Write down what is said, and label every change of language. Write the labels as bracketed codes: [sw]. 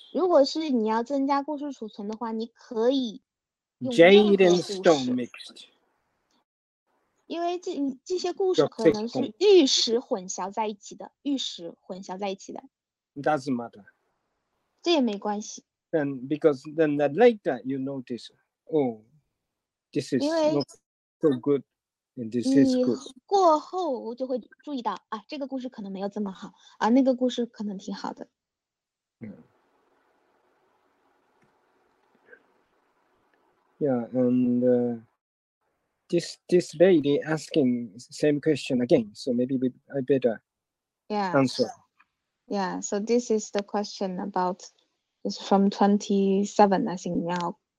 [zh] 如果是你要增加故事储存的话，你可以用 [en] Jade and Stone mixed， [zh] 因为这些故事可能是玉石混淆在一起的，玉石混淆在一起的。 [en] Doesn't matter， [zh] 这也没关系。 [en] Then because then the later you notice, oh, this is not so good, and this is good. [zh] 过后就会注意到啊，这个故事可能没有这么好啊，那个故事可能挺好的。 [en] Yeah, and this lady asking same question again, so maybe I better answer. Yeah, so this is the question about, it's from 27, I think, now.